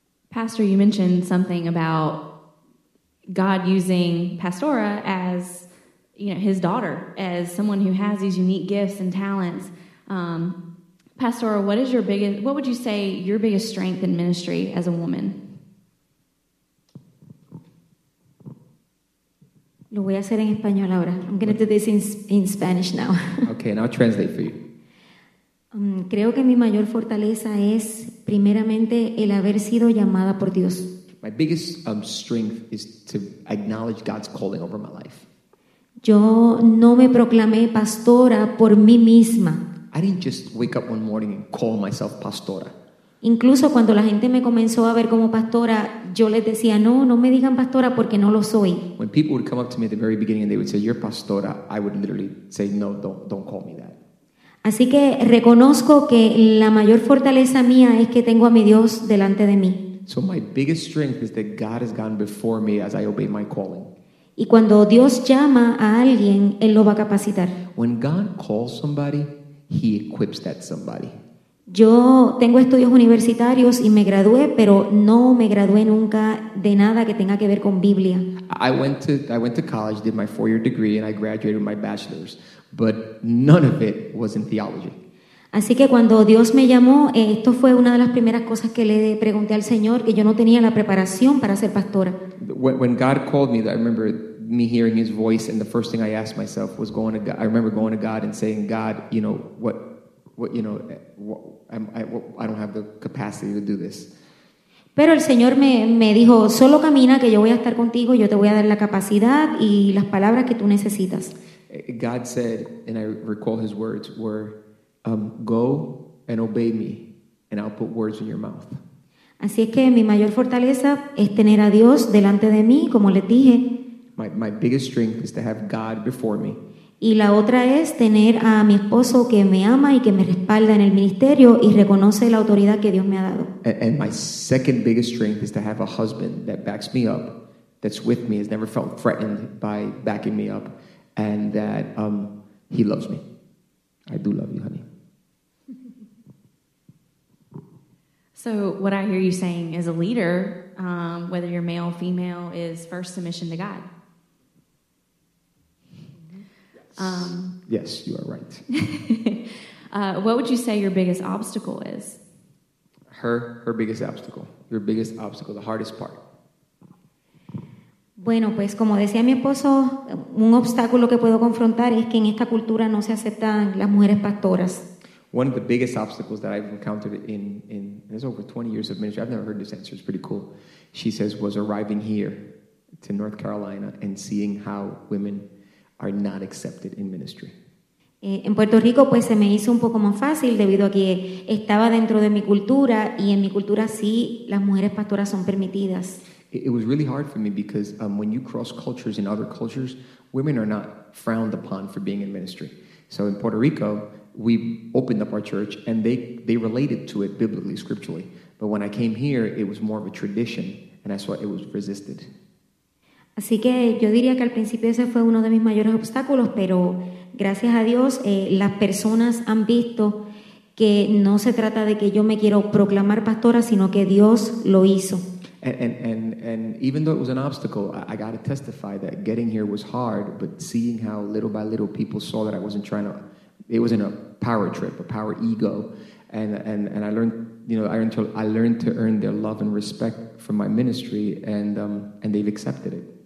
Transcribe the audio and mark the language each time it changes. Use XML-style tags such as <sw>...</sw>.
<en>Pastor, you mentioned something about God using Pastora as, you know, his daughter, as someone who has these unique gifts and talents. Pastora, what would you say your biggest strength in ministry as a woman?</en> <es>Lo voy a hacer en español ahora.</es> <en>I'm going to do this in Spanish now. Okay, and I'll translate for you.</en> <es>Creo que mi mayor fortaleza es primeramente el haber sido llamada por Dios.</es> <en>My biggest strength is to acknowledge God's calling over my life.</en> <es>Yo no me proclamé pastora por mí misma.</es> <en>I didn't just wake up one morning and call myself pastora.</en> <es>Incluso cuando la gente me comenzó a ver como pastora, yo les decía, no, no me digan pastora porque no lo soy.</es> <en>When people would come up to me at the very beginning and they would say, you're pastora, I would literally say, no, don't call me that.</en> <es>Así que reconozco que la mayor fortaleza mía es que tengo a mi Dios delante de mí.</es> <en>So my biggest strength is that God has gone before me as I obey my calling.</en> <es>Y cuando Dios llama a alguien, Él lo va a capacitar.</es> <en>When God calls somebody, He equips that somebody.</en> <es>Yo tengo estudios universitarios y me gradué, pero no me gradué nunca de nada que tenga que ver con Biblia.</es> <en>I went to college, did my 4-year degree, and I graduated with my bachelor's. But none of it was in theology.</en> <es>Así que cuando Dios me llamó, esto fue una de las primeras cosas que le pregunté al Señor, que yo no tenía la preparación para ser pastora.</es> <en>When God called me, I remember me hearing His voice, and the first thing I asked myself was going to God. I remember going to God and saying, God, you know, I don't have the capacity to do this.</en> <es>Pero el Señor me dijo, solo camina que yo voy a estar contigo, yo te voy a dar la capacidad y las palabras que tú necesitas.</es> <en>God said, and I recall His words, were, go and obey me, and I'll put words in your mouth.</en> <es>Así es que mi mayor fortaleza es tener a Dios delante de mí, como les dije.</es> <en>My biggest strength is to have God before me.</en> <es>Y la otra es tener a mi esposo que me ama y que me respalda en el ministerio y reconoce la autoridad que Dios me ha dado.</es> <en>And my second biggest strength is to have a husband that backs me up, that's with me, has never felt threatened by backing me up, and that he loves me. I do love you, honey. So what I hear you saying is a leader, whether you're male or female, is first submission to God. Yes, yes, you are right. What would you say your biggest obstacle is? Her biggest obstacle. Your biggest obstacle, the hardest part.</en> <es>Bueno, pues como decía mi esposo, un obstáculo que puedo confrontar es que en esta cultura no se aceptan las mujeres pastoras.</es> <en>One of the biggest obstacles that I've encountered in this over 20 years of ministry, I've never heard this answer, it's pretty cool, she says, was arriving here to North Carolina and seeing how women are not accepted in ministry.</en> <es>En Puerto Rico, pues se me hizo un poco más fácil debido a que estaba dentro de mi cultura y en mi cultura sí, las mujeres pastoras son permitidas.</es> <en>It was really hard for me because when you cross cultures in other cultures, women are not frowned upon for being in ministry. So in Puerto Rico, we opened up our church and they related to it biblically, scripturally. But when I came here, it was more of a tradition and I saw it was resisted.</en> <es>Así que yo diría que al principio ese fue uno de mis mayores obstáculos, pero gracias a Dios, las personas han visto que no se trata de que yo me quiero proclamar pastora, sino que Dios lo hizo.</es> <en>And even though it was an obstacle, I got to testify that getting here was hard, but seeing how little by little people saw that I wasn't trying to, it wasn't a power trip, a power ego, and I learned, you know, I learned to earn their love and respect from my ministry, and they've accepted it.</en>